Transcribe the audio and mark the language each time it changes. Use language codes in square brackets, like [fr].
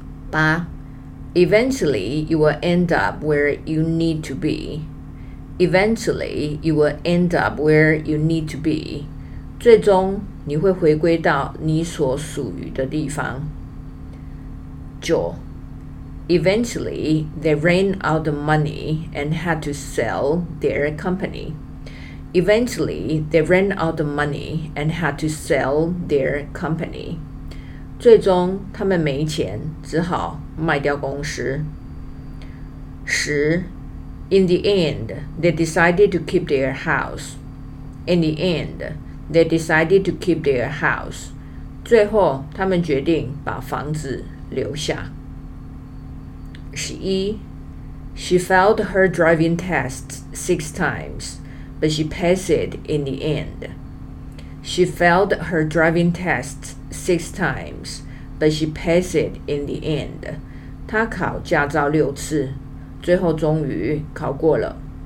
[en] 八 ，Eventually you will end up where you need to be. Eventually you will end up where you need to be. [zh] 最终。你会回归到你所属于的地方。 [en] 九 ，Eventually they ran out of money and had to sell their company. Eventually they ran out of money and had to sell their company. [zh] 最终他们没钱，只好卖掉公司。 [en] 十 ，In the end they decided to keep their house. In the end. They decided to keep their house. [zh] 最后，他们决定把房子留下。 11. [en] She failed her driving test 6 times, but she passed it in the end. She failed her driving test 6 times, but she passed it in the end. [zh] 她考驾照6次，最后终于考过了。